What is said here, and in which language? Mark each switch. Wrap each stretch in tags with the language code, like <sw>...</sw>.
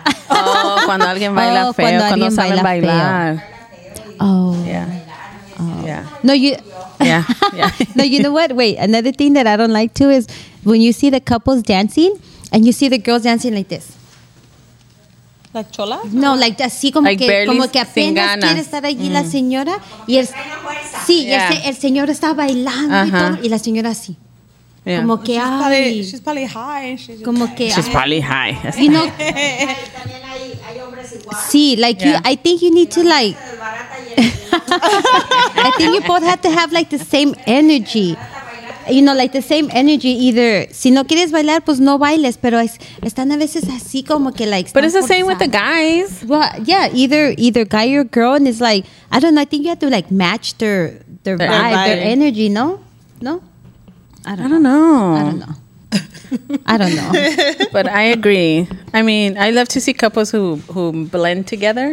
<es>Oh, cuando alguien baila feo, cuando saben bailar. Oh.</es> <en>Yeah. Oh. Yeah. No, you... Yeah. No, you know what? Wait, another thing that I don't like too is when you see the couples dancing and you see the girls dancing like this.</en> <es>¿La chola? No, like así como que apenas quiere estar allí la señora. Y el, que sí, yeah. El señor está bailando y todo. Y la señora así. Yeah. Como que,</es> <en>she's ay. Probably, she's probably high. She's</en> <es>como que,</es> <en>she's ay. Probably high. You know,</en> <es>también hay hombres igual. Sí, like, yeah.</es> <en>You, I think you need to like, I think you both have to have like the same energy. You know, like the same energy either.</en> <es>Si no quieres bailar, pues no bailes. Pero están a veces así como que like...</es> <en>But it's the same with the guys. Well, yeah, either guy or girl. And it's like, I don't know. I think you have to like match their vibe, their energy, no? No? I don't know. But I agree. I mean, I love to see couples who blend together.</en>